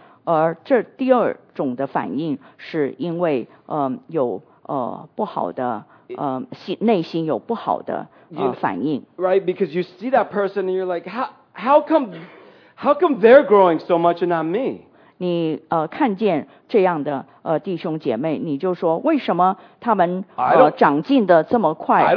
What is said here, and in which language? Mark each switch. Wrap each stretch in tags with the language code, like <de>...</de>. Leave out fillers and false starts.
<zh>而这第二种的反应是因为有不好的内心有不好的反应。</zh> <en>Right, because you see that person and you're like, how come they're growing so much and not me?</en> <zh>你看见这样的弟兄姐妹，你就说为什么他们长进的这么快</zh>